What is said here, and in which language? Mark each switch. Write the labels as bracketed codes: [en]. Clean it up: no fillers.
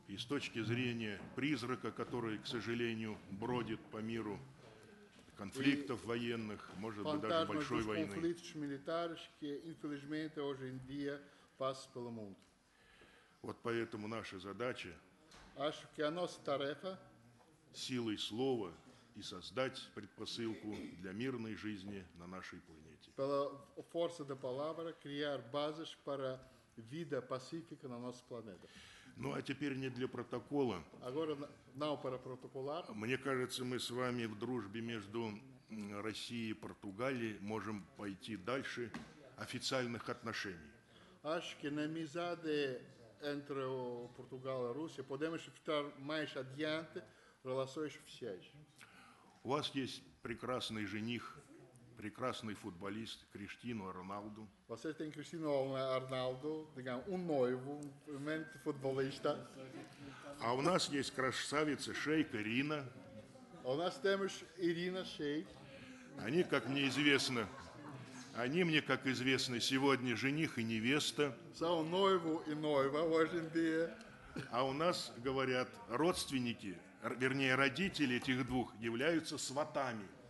[ru] и с точки зрения призрака, который, к сожалению, бродит по миру конфликтов военных, может быть, даже большой войны. [pt] Фантазма dos conflitos militares, que infelizmente hoje em dia passa pelo mundo. [ru] Вот поэтому наша задача, [pt] acho que a nossa tarefa, [ru] силой слова и создать предпосылку для мирной жизни на нашей планете. [pt] Pela força da palavra, criar bases para vida pacífica na nossa planeta. [ru] Ну, а теперь не для протокола. [pt] Agora, não para protocolar. [ru] Мне кажется, мы с вами в дружбе между Россией и Португалией можем пойти дальше официальных отношений. [pt] Acho que na amizade entre o Portugal e a Rússia podemos ficar mais adiante relações oficiais. [ru] У вас есть прекрасный жених, прекрасный футболист Криштиану Роналду. [pt] Você tem Cristiano Ronaldo, digamos, noivo, realmente futebolista. [ru] А у нас есть красавица Шейк Ирина. У нас [pt] temos [ru] Ирина Шейк. Они, как мне известно, они мне, как известно, сегодня жених и невеста. [pt] São noivo e noiva hoje em dia. [ru] А у нас, говорят, родственники, вернее, родители этих двух являются сватами.